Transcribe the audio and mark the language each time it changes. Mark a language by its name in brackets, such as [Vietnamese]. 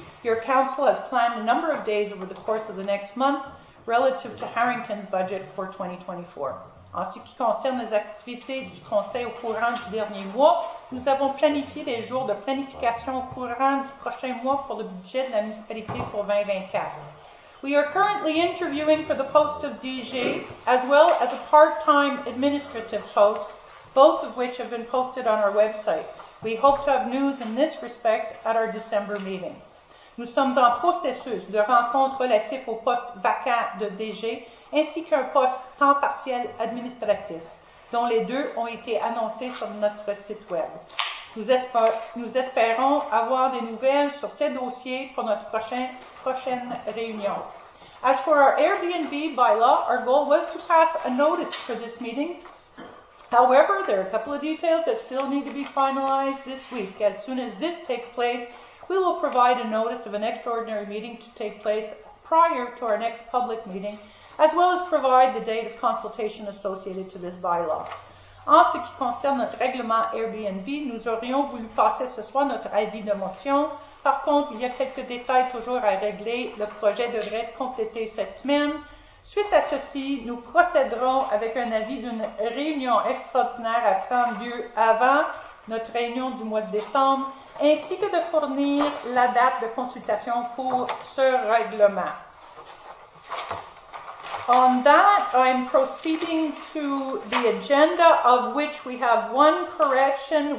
[English] Your council has planned a number of days over the course of the next month relative to Harrington's budget for 2024. [French] En ce qui concerne les activités du conseil au courant du dernier mois, nous avons planifié des jours de planification au courant du prochain mois pour le budget de la municipalité pour 2024. [English] We are currently interviewing for the post of DG, as well as a part-time administrative post, both of which have been posted on our website. We hope to have news in this respect at our December meeting. [French] Nous sommes en processus de rencontre relatif au poste vacant de DG, ainsi qu'un poste temps partiel administratif, dont les deux ont été annoncés sur notre site web. Nous espérons avoir des nouvelles sur ces dossiers pour notre prochaine réunion. [English] As for our Airbnb bylaw, our goal was to pass a notice for this meeting. However, there are a couple of details that still need to be finalized this week. As soon as this takes place, we will provide a notice of an extraordinary meeting to take place prior to our next public meeting, as well as provide the date of consultation associated to this bylaw. [French] En ce qui concerne notre règlement Airbnb, nous aurions voulu passer ce soir notre avis de motion. Par contre, il y a quelques détails toujours à régler. Le projet devrait être complété cette semaine. Suite à ceci, nous procéderons avec un avis d'une réunion extraordinaire à prendre lieu avant notre réunion du mois de décembre, ainsi que de fournir la date de consultation pour ce règlement. [English] On that, I'm proceeding to the agenda, of which we have one correction.